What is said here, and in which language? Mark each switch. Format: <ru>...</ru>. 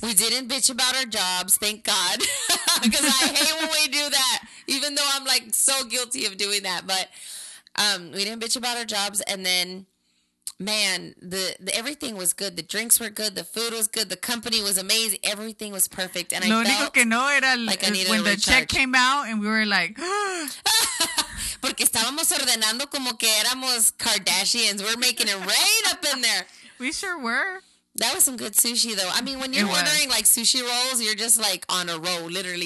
<en>We didn't bitch about our jobs. Thank God. Because I hate when we do that, even though I'm like so guilty of doing that. But we didn't bitch about our jobs. And then, man, the everything was good. The drinks were good. The food was good. The company was amazing. Everything was perfect. And I felt like I needed to recharge. The check came out and we were like,</en> <es>porque estábamos ordenando como que éramos Kardashians.</es> <en>We're making it rain up in there. We sure were. That was some good sushi, though. I mean, when you're ordering, like, sushi rolls, you're just, like, on a roll, literally.</en>